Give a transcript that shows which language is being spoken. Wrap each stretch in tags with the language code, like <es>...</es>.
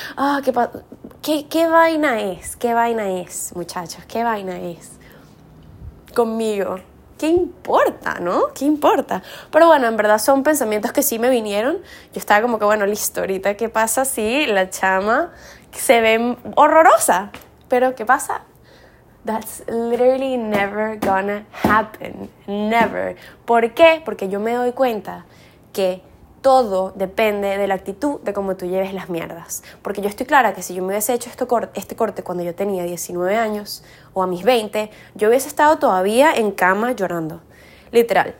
<es>Ah, oh, ¿qué vaina es? ¿Qué vaina es, muchachos? ¿Qué vaina es conmigo? ¿Qué importa, no? ¿Qué importa? Pero bueno, en verdad son pensamientos que sí me vinieron. Yo estaba como que, bueno, listo, ahorita ¿qué pasa si la chama se ve horrorosa? Pero ¿qué pasa?</es> <en>That's literally never gonna happen. Never.</en> <es>¿Por qué? Porque yo me doy cuenta que todo depende de la actitud de cómo tú lleves las mierdas. Porque yo estoy clara que si yo me hubiese hecho este corte cuando yo tenía 19 años o a mis 20, yo hubiese estado todavía en cama llorando. Literal.</es>